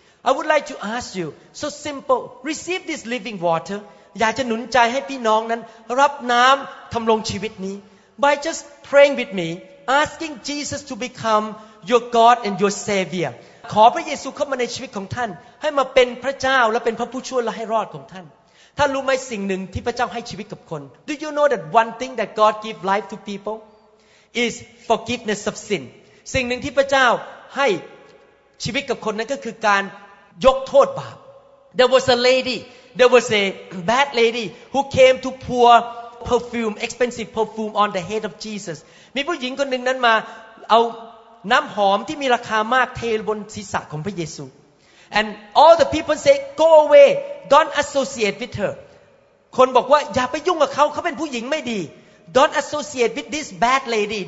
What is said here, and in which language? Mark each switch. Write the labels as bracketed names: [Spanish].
[English] I would like to ask you so simple receive this living water [Thai] อยากจะหนุนใจให้พี่น้องนั้นรับน้ำทำลงชีวิตนี้ [English] by just praying with me asking Jesus to become your God and your Savior [Thai] ขอพระเยซูเข้ามาในชีวิตของท่านให้มาเป็นพระเจ้าและเป็นพระผู้ช่วยและให้รอดของท่าน ท่านรู้ไหมสิ่งหนึ่งที่พระเจ้าให้ชีวิตกับคน [English] Do you know that one thing that God give life to people is forgiveness of sin [Thai] สิ่งหนึ่งที่พระเจ้าให้ชีวิตกับคนนั้นก็คือการยกโทษบาป [English] There was a lady. There was a bad lady who came to pour perfume, expensive perfume on the head of Jesus. [Thai] มีผู้หญิงคนหนึ่งนั้นมาเอาน้ำหอมที่มีราคามากเทบนศีรษะของพระเยซู [English] And all the people say, "Go away. Don't associate with her." [Thai] คนบอกว่าอย่าไปยุ่งกับเขาเขาเป็นผู้หญิงไม่ดี [English] Don't associate with this bad lady.